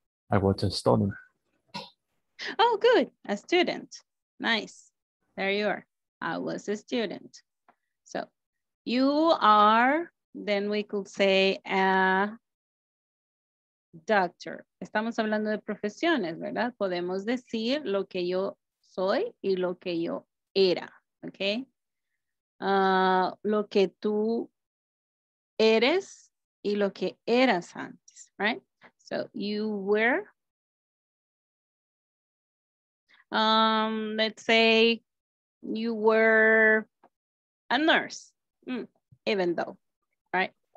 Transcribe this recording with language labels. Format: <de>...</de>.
<en>I was a stoner. Oh, good. A student. Nice. There you are. I was a student. So you are, then we could say a doctor.</en> <es>Estamos hablando de profesiones, ¿verdad? Podemos decir lo que yo soy y lo que yo era, okay? Lo que tú eres y lo que eras antes, right?</es> <en>So you were, let's say you were a nurse, even though, right?</en>